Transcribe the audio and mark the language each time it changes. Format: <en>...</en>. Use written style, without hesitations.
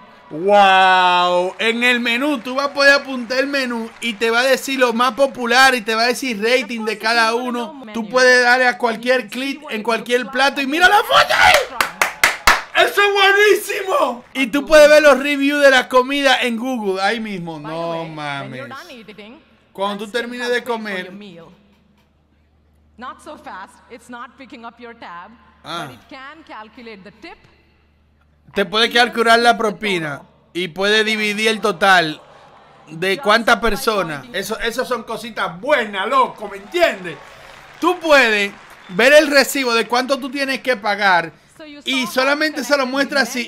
<es>Wow, en el menú tú vas a poder apuntar el menú y te va a decir lo más popular y te va a decir rating de cada uno. Tú puedes darle a cualquier clic en cualquier plato y mira la foto ahí. ¡Eso es buenísimo! Y tú puedes ver los reviews de la comida en Google, ahí mismo. No mames. Cuando tú termines de comer.</es> <en>Not so fast. It's not picking up your tab, but it can calculate the tip.</en> <es>Te puede calcular la propina y puede dividir el total de cuántas personas. Eso son cositas buenas, loco, ¿me entiendes? Tú puedes ver el recibo de cuánto tú tienes que pagar y solamente se lo muestra así.</es>